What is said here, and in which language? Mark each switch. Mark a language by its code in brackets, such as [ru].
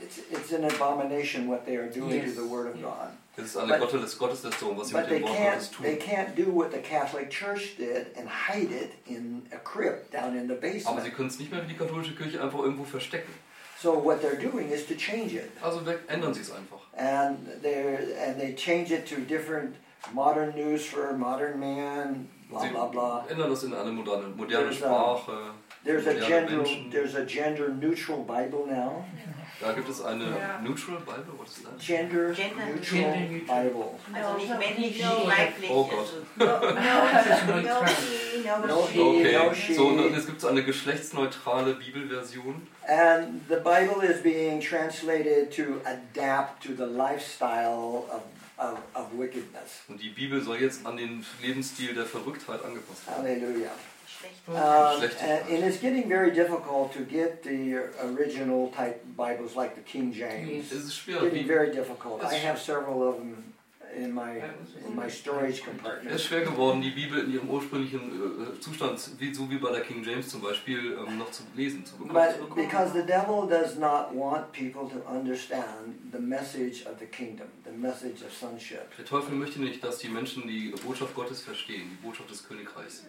[en] It's an abomination what they are doing to the Word of God. [de] Es ist eine Gotteslästerung, was sie mit dem Wort Gottes tun. [en] They can't do what the Catholic Church did and hide it in a crypt down in the basement. [de] Aber sie können es nicht mehr wie die katholische Kirche einfach irgendwo verstecken. [en] So what they're doing is to change it. [de] Also ändern sie es einfach. [en] And they change it to different modern news for modern man, blah [de] sie [en] blah blah. [de] Ändern das in eine moderne Sprache. [en] There's a gender neutral Bible now. [de] Da gibt es eine neutral Bible, [en] what is that? Gender neutral Bible. [de] Also nicht männlich, weiblich. Oh Gott. [en] No, [de] es gibt so eine geschlechtsneutrale Bibelversion. [en] And the Bible is being translated to adapt to the lifestyle of wickedness. [de] Und die Bibel soll jetzt an den Lebensstil der Verrücktheit angepasst werden. Halleluja. [en] And it's getting very difficult to get the original type Bibles like the King James. [de] Es ist schwierig. [en] Getting very difficult. I have several of them in my storage compartment. [de] Es ist schwer geworden, die Bibel in ihrem ursprünglichen Zustand, so wie bei der King James zum Beispiel, noch zu lesen zu bekommen. [en] But because the devil does not want people to understand the message of the kingdom, the message of sonship. [de] Der Teufel möchte nicht, dass die Menschen die Botschaft Gottes verstehen, die Botschaft des Königreichs.